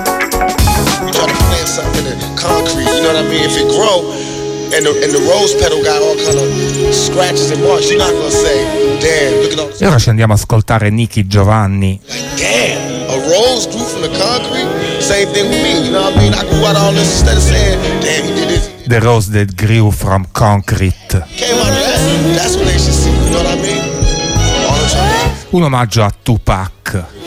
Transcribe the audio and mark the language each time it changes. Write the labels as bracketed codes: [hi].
[en] like concrete, you know what I mean? If it grow and the rose petal got all kind of scratches and marks, you're not gonna say, damn, look at all this. [it] E ora ci andiamo a ascoltare Nicky Giovanni. [en] Like, damn, a rose grew from the concrete? Same thing with me, you know what I mean? I grew out all this instead of saying, damn, he did this. The rose that grew from concrete. Came out of that. That's what they should see, you know what I mean? All I'm trying to do. [it] Un omaggio a Tupac.